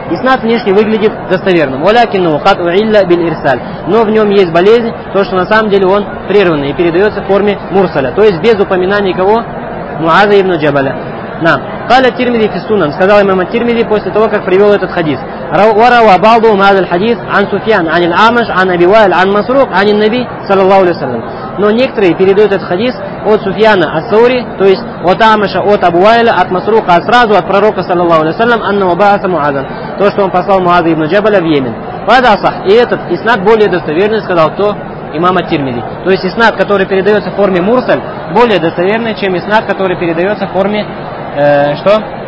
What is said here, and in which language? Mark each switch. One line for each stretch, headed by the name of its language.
Russian: Иснад внешне выглядит достоверным.
Arabic: Валякину ухат уилля биль ирсаль.
Russian: Но в нем есть болезнь, то что на самом деле он прерванный и передается в форме мурсаля. То есть без упоминания кого? Муаза ибн Джабаля. Нам.
Arabic: Каля Тирмизи фисунан,
Russian: сказал имам Тирмизи после того, как привел этот хадис.
Arabic: وروى بعضهم هذا الحديث عن سفيان عن الأعمش عن أبي وائل عن مسروق عن النبي صلى الله عليه وسلم.
Russian: Но некоторые передают этот хадис от Суфьяна ас-Саури, то есть от Амаша, от Абу Вайля, от Масрука, а сразу от пророка, саллаллаху алейхи ва саллям,
Arabic: анна баата Муаза,
Russian: то, что он послал Муаза ибн Джабаля в Йемен. Фадасах, и этот иснад более достоверный, сказал кто? Имам ат-Тирмизи. То есть иснад, который передается в форме мурсаль, более достоверный, чем иснад, который передается в форме, что?